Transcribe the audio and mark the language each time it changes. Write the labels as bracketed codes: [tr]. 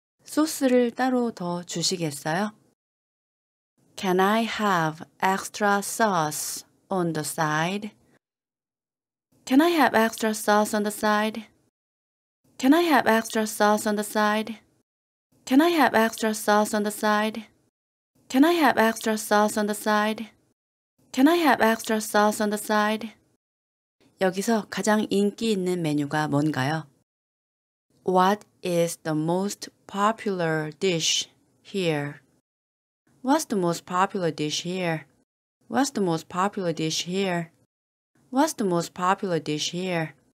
[ko] 소스를 따로 더 주시겠어요? [en] Can I have extra sauce on the side? Can I have extra sauce on the side? Can I have extra sauce on the side? Can I have extra sauce on the side? Can I have extra sauce on the side? Can I have extra sauce on the side? [ko] 여기서 가장 인기 있는 메뉴가 뭔가요? [en] What is the most popular dish here? What's the most popular dish here? What's the most popular dish here? What's the most popular dish here?